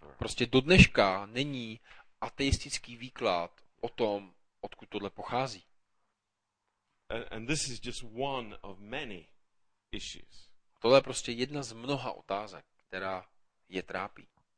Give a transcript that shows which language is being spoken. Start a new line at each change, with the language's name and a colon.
Czech: Prostě do dneška není ateistický výklad o tom, odkud tohle pochází.
English: And this is just one of many issues.
Czech: Tohle je prostě jedna z mnoha otázek, která je trápí.